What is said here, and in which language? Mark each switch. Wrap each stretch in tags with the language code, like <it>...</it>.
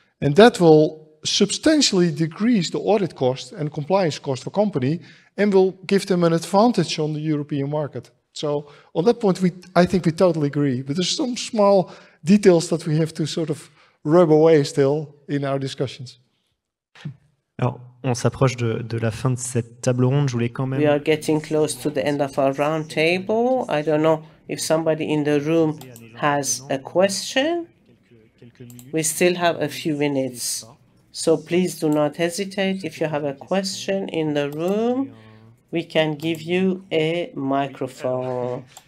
<en>And that will substantially decrease the audit cost and compliance cost for company and will give them an advantage on the European market. So on that point, I think we totally agree. But there's some small details that we have to sort of rub away still in our discussions.</en> <fr>Alors, on s'approche de la fin de cette table ronde. Je voulais quand même.</fr> <en>We are getting close to the end of our round table. I don't know if somebody in the room has a question. We still have a few minutes. So please do not hesitate. If you have a question in the room, we can give you a microphone.</en>